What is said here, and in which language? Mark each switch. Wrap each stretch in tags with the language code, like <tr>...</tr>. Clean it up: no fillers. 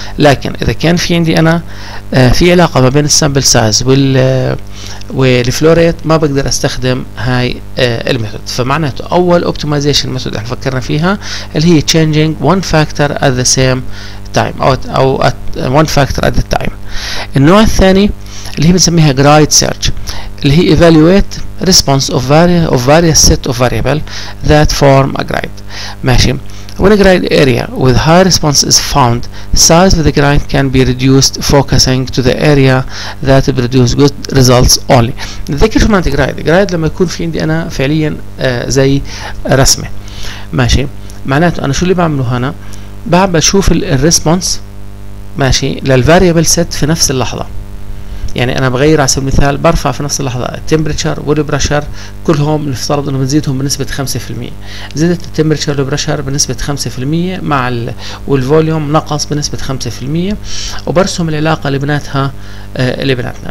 <ar>لكن إذا كان في عندي أنا في علاقة ما بين السامبل سايز والفلوريت، ما بقدر أستخدم هاي الميثود. فمعناته أول أوبتمايزيشن ميثود احنا فكرنا فيها اللي هي</ar> <en>changing one factor at the same time</en> <ar>أو</ar> <en>at one factor at the time.</en> <ar>النوع الثاني اللي هي</ar> <en>بنسميها grid search, اللي هي evaluate response of various set of variable that form a grid.</en> <ar>ماشي.</ar> <en>When a grid area with high response is found, size of the grid can be reduced focusing to the area that produce good results only.</en> <ar>نتذكر شو معناته grid. grid لما يكون في عندي انا فعليا زي رسمة. ماشي. معناته انا شو اللي بعمله هنا؟ بعمل بشوف الريسبونس ماشي للفاريبل سيت في نفس اللحظة. يعني انا بغير على سبيل المثال برفع في نفس اللحظه التمبرتشر والبرشر كلهم نفترض انه بنزيدهم بنسبه 5%، زدت التمبرتشر والبرشر بنسبه 5% مع والفوليوم نقص بنسبه 5% وبرسم العلاقه اللي بناتها اللي بناتنا.</ar>